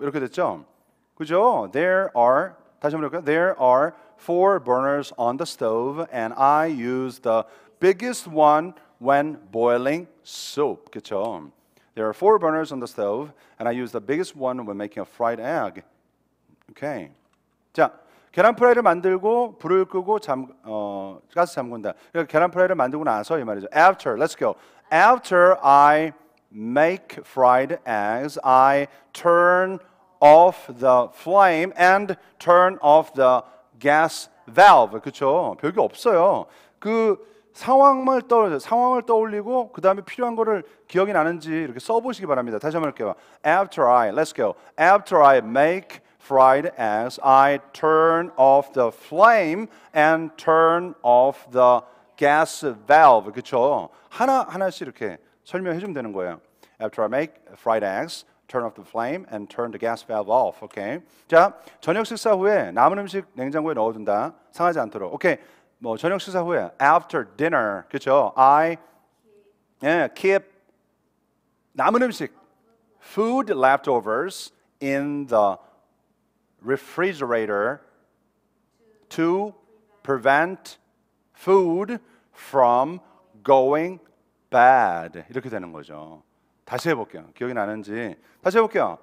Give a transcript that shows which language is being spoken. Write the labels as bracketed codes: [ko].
[ko] 이렇게 됐죠? 그죠? [en] There are, [ko] 다시 한번 볼까요? [en] There are four burners on the stove, and I use the biggest one when boiling soup. [ko] 그죠? [en] There are four burners on the stove, and I use the biggest one when making a fried egg. Okay. 자. [ko] 계란 프라이를 만들고 불을 끄고 가스 잠근다. 그러니까 계란 프라이를 만들고 나서 이 말이죠. [en] After, let's go. After I make fried eggs, I turn off the flame and turn off the gas valve. [ko] 그렇죠? 별게 없어요. 그 상황을 떠올려, 상황을 떠올리고 그 다음에 필요한 거를 기억이 나는지 이렇게 써보시기 바랍니다. 다시 한번 할게요. [en] After I, let's go. After I make fried eggs, I turn off the flame and turn off the gas valve. [ko] 그렇죠? 하나하나씩 이렇게 설명해 주면 되는 거예요. [en] After I make fried eggs, turn off the flame and turn the gas valve off. Okay? [ko] 자, 저녁 식사 후에 남은 음식 냉장고에 넣어둔다. 상하지 않도록. Okay. 뭐 저녁 식사 후에 [en] after dinner. [ko] 그렇죠? [en] I keep [ko] 남은 음식 [en] food leftovers in the refrigerator to prevent food from going bad. [ko] 이렇게 되는 거죠. 다시 해볼게요. [en] 기억이 나는지. 다시 해볼게요.